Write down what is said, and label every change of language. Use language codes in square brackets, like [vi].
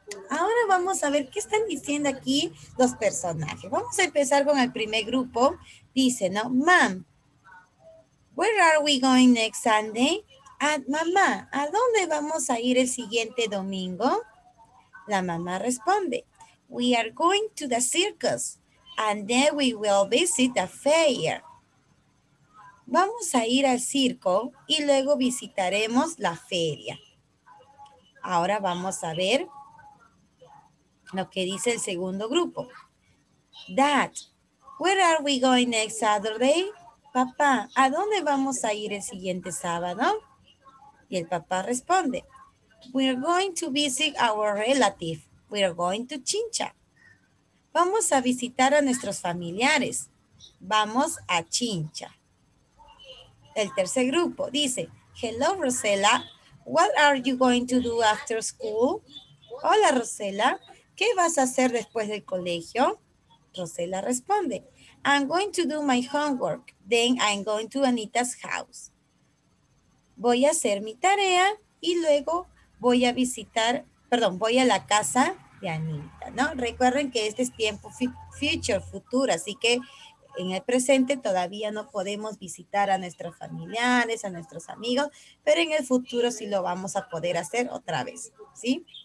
[es] Ahora vamos a ver qué están diciendo aquí los personajes. Vamos a empezar con el primer grupo. Dice, ¿no? [en] Mom, where are we going next Sunday? [es] Ah, mamá, ¿a dónde vamos a ir el siguiente domingo? La mamá responde, [en] we are going to the circus and then we will visit the fair. [es] Vamos a ir al circo y luego visitaremos la feria. Ahora vamos a ver lo que dice el segundo grupo. [en] Dad, where are we going next Saturday? [es] Papá, ¿a dónde vamos a ir el siguiente sábado? Y el papá responde, [en] we're going to visit our relative. We're going to Chincha. [es] Vamos a visitar a nuestros familiares. Vamos a Chincha. El tercer grupo dice, [en] hello, Rosella. What are you going to do after school? [es] Hola, Rosella. ¿Qué vas a hacer después del colegio? Rosella responde, [en] I'm going to do my homework. Then I'm going to Anita's house. [es] Voy a hacer mi tarea y luego voy a visitar, perdón, voy a la casa de Anita, ¿no? Recuerden que este es tiempo future, futuro, así que en el presente todavía no podemos visitar a nuestros familiares, a nuestros amigos, pero en el futuro sí lo vamos a poder hacer otra vez, ¿sí?